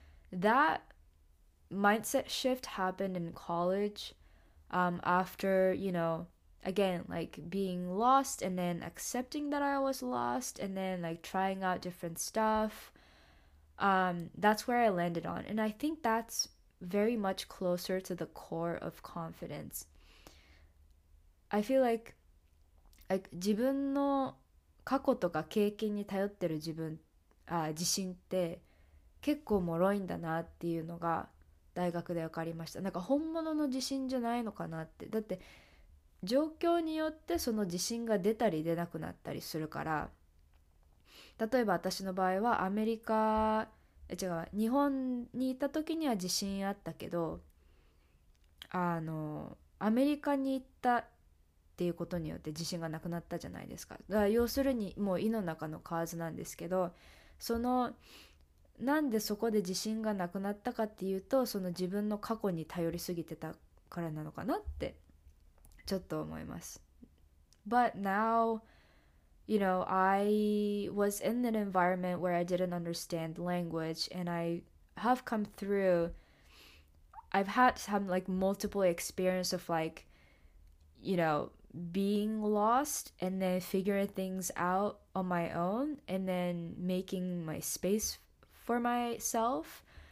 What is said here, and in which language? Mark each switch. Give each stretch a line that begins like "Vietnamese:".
English: That mindset shift happened in college, after, again, like being lost and then accepting that I was lost and then like trying out different stuff. That's where I landed on. And I think that's very much closer to the core of confidence. I feel like
Japanese: 自分の過去とか経験に頼ってる自分、自信って結構脆いんだなっていうのが大学で分かりました。なんか本物の自信じゃないのかなって。だって状況によってその自信が出たり出なくなったりするから、例えば私の場合はアメリカ、違う、日本にいた時には自信あったけど、アメリカに行ったっていうことによって自信がなくなったじゃないですか。だから要するにもう井の中の蛙なんですけど、そのなんでそこで自信がなくなったかっていうと、その自分の過去に頼りすぎてたからなのかなってちょっと思います。
English: But now, I was in an environment where I didn't understand language, and I have come through. I've had some like multiple experience of like, being lost and then figuring things out on my own and then making my space for myself.